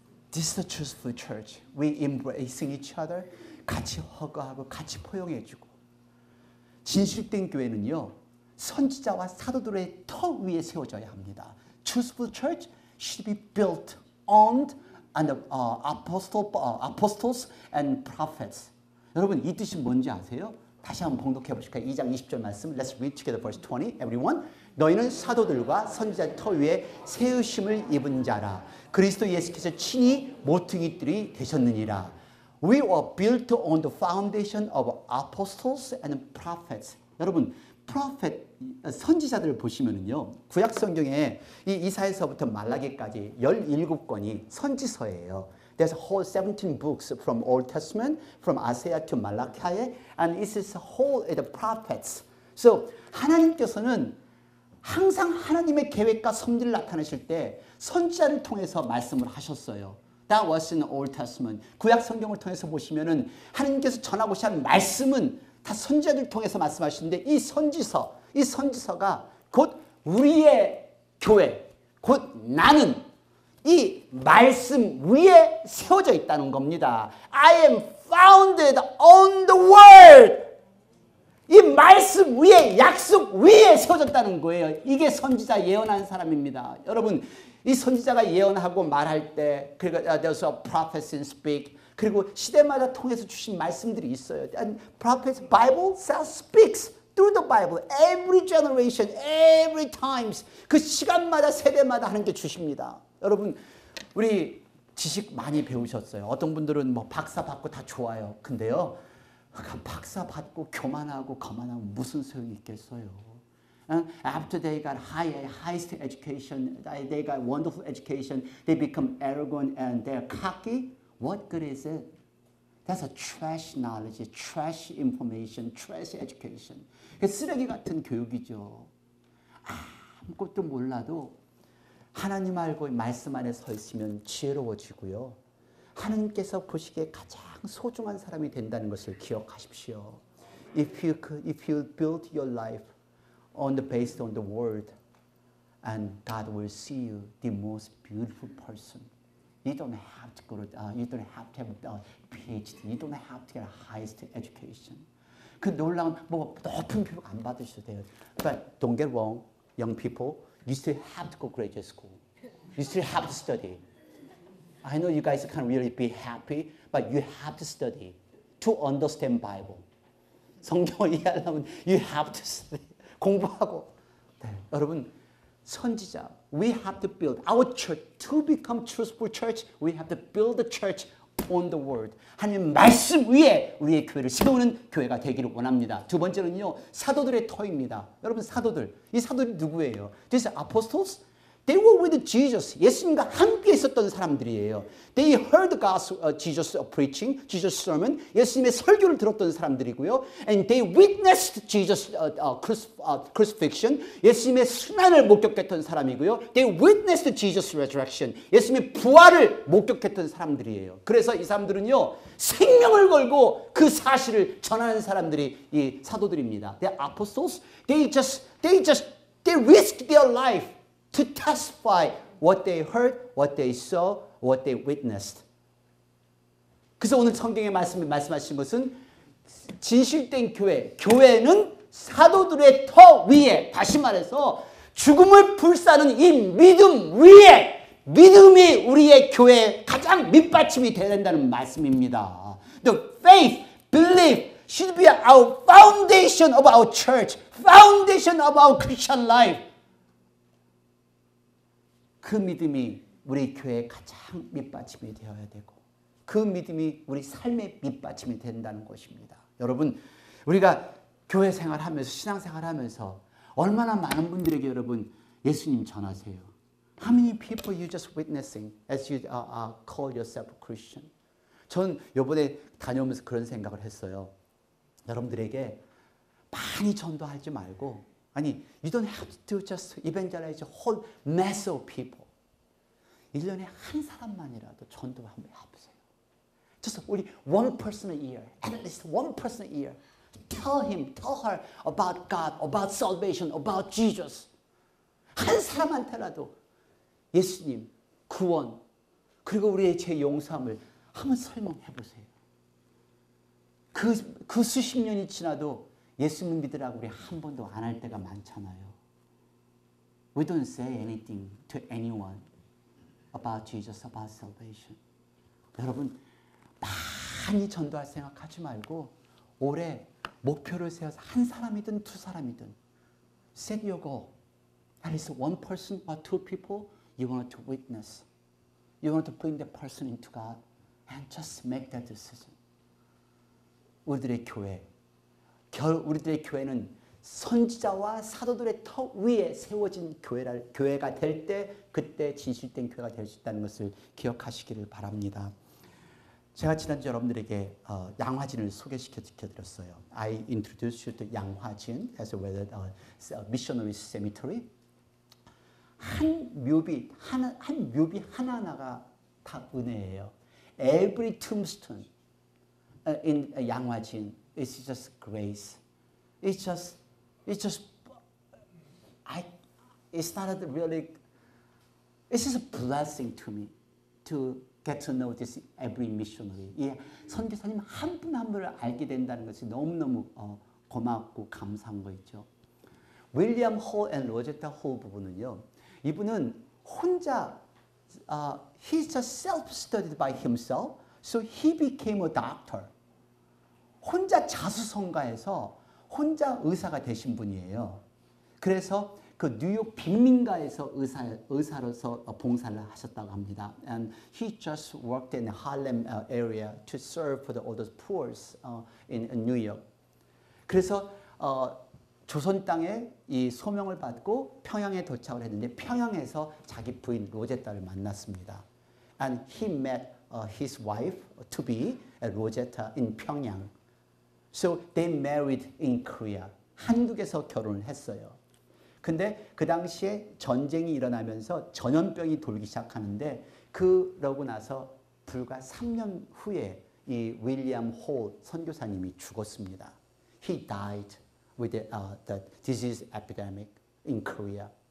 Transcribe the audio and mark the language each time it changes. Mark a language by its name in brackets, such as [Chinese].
[English] This is the truthful church. We embracing each other. [Korean] 같이 허가하고 같이 포용해주고. 진실된 교회는요. 선지자와 사도들의 터 위에 세워져야 합니다. [English] Truth of the church should be built on and apostles and prophets. [Korean] 여러분 이 뜻이 뭔지 아세요? 다시 한번 봉독해 보실까요? 2장 20절 말씀. [English] Let's read together verse 20. Everyone. [Korean] 너희는 사도들과 선지자의 터 위에 세우심을 입은 자라. 그리스도 예수께서 친히 모퉁이들이 되셨느니라. [English] We were built on the foundation of apostles and prophets. [Korean] 여러분, prophet, 선지자들을 보시면은요, 구약 성경에 이 이사야서부터 말라기까지 17권이 선지서예요. [English] There's a whole 17 books from Old Testament, from Isaiah to Malachi, and this is a whole the prophets. [Korean] So, 하나님께서는 항상 하나님의 계획과 섭리를 나타내실 때 선지자를 통해서 말씀을 하셨어요. [English] That was in Old Testament. [Korean] 구약 성경을 통해서 보시면은 하나님께서 전하고자 하는 말씀은 다 선지자들 통해서 말씀하시는데 이 선지서가 곧 우리의 교회, 곧 나는 이 말씀 위에 세워져 있다는 겁니다. [English] I am founded on the word. [Korean] 이 말씀 위에, 약속 위에 세워졌다는 거예요. 이게 선지자 예언한 사람입니다. 여러분, 이 선지자가 예언하고 말할 때, 그리고 [English] there's a prophecy and speak. [Korean] 그리고 시대마다 통해서 주신 말씀들이 있어요. [English] And prophets, Bible says, speaks through the Bible. Every generation, every times. [Korean] 그 시간마다, 세대마다 하는 게 주십니다. 여러분, 우리 지식 많이 배우셨어요. 어떤 분들은 뭐 박사 받고 다 좋아요. 근데요. 박사 받고 교만하고 거만하면 무슨 소용이 있겠어요? [English] After they got highest education, they got wonderful education, they become arrogant and they're cocky. What good is it? That's a trash knowledge, trash information, trash education. [Korean] 쓰레기 같은 교육이죠. 아무것도 몰라도 하나님 알고 말씀 안에 서 있으면 지혜로워지고요. 하나님께서 보시기에 가장 소중한 사람이 된다는 것을 기억하십시오. [English] If you build your life on the based on the word, and God will see you the most beautiful person. You don't have to have a PhD. You don't have to get a highest education. [Korean] 그 놀라운 뭐 높은 교육 안 받으셔도 돼요. [English] But don't get wrong, young people. You still have to go graduate school. You still have to study. I know you guys can't really be happy, but you have to study to understand Bible. [Korean] 성경을 이해하려면 [English] you have to study. [Korean] 공부하고. 네. 여러분, 선지자, [English] we have to build our church. To become truthful church, we have to build the church on the word. [Korean] 하나님 말씀 위에 우리의 교회를 세우는 교회가 되기를 원합니다. 두 번째는요, 사도들의 터입니다. 여러분, 사도들. 이 사도들이 누구예요? [English] These apostles? They were with Jesus. [Korean] 예수님과 함께 있었던 사람들이에요. [English] They heard Jesus preaching, Jesus' sermon. [Korean] 예수님의 설교를 들었던 사람들이고요. [English] And they witnessed Jesus' crucifixion. [Korean] 예수님의 순환을 목격했던 사람이고요. [English] They witnessed Jesus' resurrection. [Korean] 예수님의 부활을 목격했던 사람들이에요. 그래서 이 사람들은요, 생명을 걸고 그 사실을 전하는 사람들이 이 사도들입니다. [English] They are apostles. They risked their life to testify what they heard, what they saw, what they witnessed. [Korean] 그래서 오늘 성경의 말씀이 말씀하신 것은 진실된 교회, 교회는 사도들의 터 위에, 다시 말해서 죽음을 불사는 이 믿음 위에, 믿음이 우리의 교회의 가장 밑받침이 되어야 된다는 말씀입니다. [English] The faith, belief should be our foundation of our church, foundation of our Christian life. [Korean] 그 믿음이 우리 교회의 가장 밑받침이 되어야 되고 그 믿음이 우리 삶의 밑받침이 된다는 것입니다. 여러분, 우리가 교회 생활하면서 신앙 생활하면서 얼마나 많은 분들에게 여러분 예수님 전하세요. [English] How many people you just witnessing as you call yourself a Christian? [Korean] 전 이번에 다녀오면서 그런 생각을 했어요. 여러분들에게 많이 전도하지 말고 아니, [English] you don't have to just evangelize a whole mass of people. [Korean] 1년에 한 사람만이라도 전도 한번 해보세요. [English] Just 우리 one person a year, at least one person a year. Tell him, tell her about God, about salvation, about Jesus. [Korean] 한 사람한테라도 예수님, 구원, 그리고 우리의 죄 용서함을 한번 설명해보세요. 그 수십 년이 지나도 예수님 믿으라고 우리 한 번도 안 할 때가 많잖아요. [English] We don't say anything to anyone about Jesus, about salvation. [Korean] 여러분, 많이 전도할 생각 하지 말고 올해 목표를 세워서 한 사람이든 두 사람이든 [English] set your goal. At least one person or two people you want to witness. You want to bring that person into God and just make that decision. [Korean] 우리들의 교회, 우리들의 교회는 선지자와 사도들의 턱 위에 세워진 교회가 될 때 그때 진실된 교회가 될 수 있다는 것을 기억하시기를 바랍니다. 제가 지난주 여러분들에게 양화진을 소개시켜드렸어요. [English] I introduced you to 양화진 as a missionary cemetery. [Korean] 한 묘비 하나하나가 다 은혜예요. [English] Every tombstone in 양화진 is just grace. It's just a blessing to me to get to know this every missionary. [Korean] 예, 선교사님 한 분 한 분을 알게 된다는 것이 너무너무 고맙고 감사한 거 있죠. 윌리엄 호 앤 로제타 호 부부는요. 이분은 혼자 [English] he's just self-studied by himself. So he became a doctor. [Korean] 혼자 자수성가해서 혼자 의사가 되신 분이에요. 그래서 그 뉴욕 빈민가에서 의사로서 봉사를 하셨다고 합니다. [English] And he just worked in the Harlem area to serve for the all the poor in New York. [Korean] 그래서 조선 땅에 이 소명을 받고 평양에 도착을 했는데 평양에서 자기 부인 로제타를 만났습니다. [English] And he met his wife to be Rosetta in 평양. So they married in Korea. [Korean] 한국에서 결혼을 했어요. 근데 그 당시에 전쟁이 일어나면서 전염병이 돌기 시작하는데 그러고 나서 불과 3년 후에 이 윌리엄 호 선교사님이 죽었습니다. [English] He died with the disease epidemic in Korea.